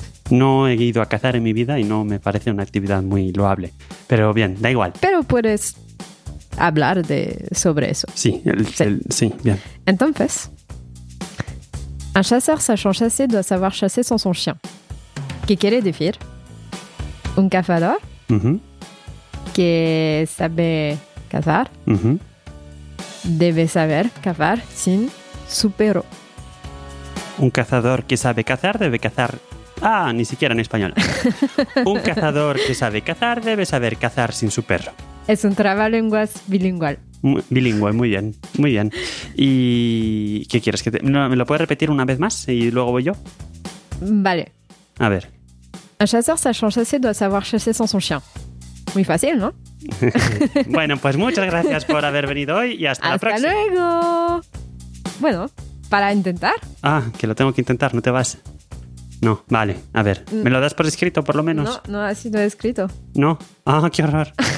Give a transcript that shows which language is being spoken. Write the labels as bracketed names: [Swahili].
[Spanish] No he ido a cazar en mi vida y no me parece una actividad muy loable. Pero bien, da igual. Pero puedes hablar de, sobre eso. Sí, sí, bien. [French] Entonces, un chasseur sachant chasser doit savoir chasser sans son chien. [Spanish] ¿Qué quiere decir? Un cazador que sabe cazar debe saber cazar sin su perro. Un cazador que sabe cazar debe cazar... Ah, ni siquiera en español. Un cazador que sabe cazar debe saber cazar sin su perro. Es un trabalenguas bilingüe. Bilingüe, muy bien, muy bien. ¿Y qué quieres? Que te... no, ¿me lo puedes repetir una vez más y luego voy yo? Vale. A ver. [French] Un chasseur sachant chasser doit savoir chasser sans son chien. [Spanish] Muy fácil, ¿no? Bueno, pues muchas gracias por haber venido hoy y hasta la próxima. ¡Hasta luego! Bueno, ¿para intentar? Ah, que lo tengo que intentar, ¿no te vas? No, vale, a ver, ¿me lo das por escrito por lo menos? No, no ha sido escrito. ¿No? Ah, qué horror.